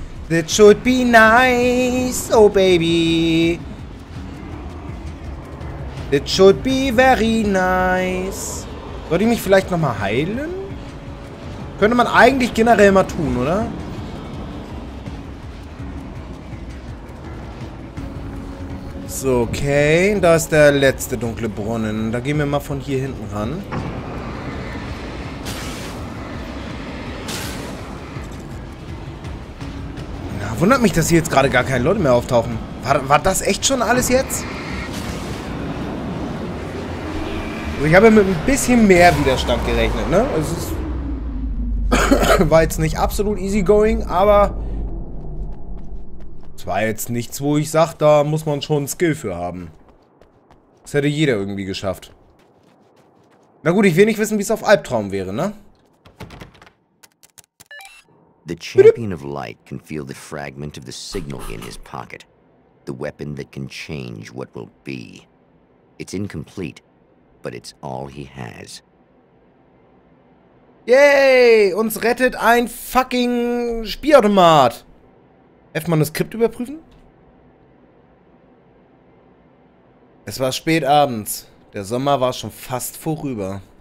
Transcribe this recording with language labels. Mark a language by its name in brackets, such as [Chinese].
[English] That should be nice, oh baby. That should be very nice. [German] Sollte ich mich vielleicht nochmal heilen? Könnte man eigentlich generell mal tun, oder? So, okay, da ist der letzte dunkle Brunnen. Da gehen wir mal von hier hinten ran. Na, wundert mich, dass hier jetzt gerade gar keine Leute mehr auftauchen. War das echt schon alles jetzt? Also ich habe mit ein bisschen mehr Widerstand gerechnet, ne? Es ist war jetzt nicht absolut easygoing, aber... War jetzt nichts, wo ich sage, da muss man schon Skill für haben. Das hätte jeder irgendwie geschafft. Na gut, ich will nicht wissen, wie es auf Albtraum wäre, ne? [English] The Champion of Light can feel the fragment of the signal in his pocket. The weapon that can change what will be. It's incomplete, but it's all he has. Yay! [German] Uns rettet ein fucking Spielautomat! F-Manuskript überprüfen? Es war spät abends. Der Sommer war schon fast vorüber.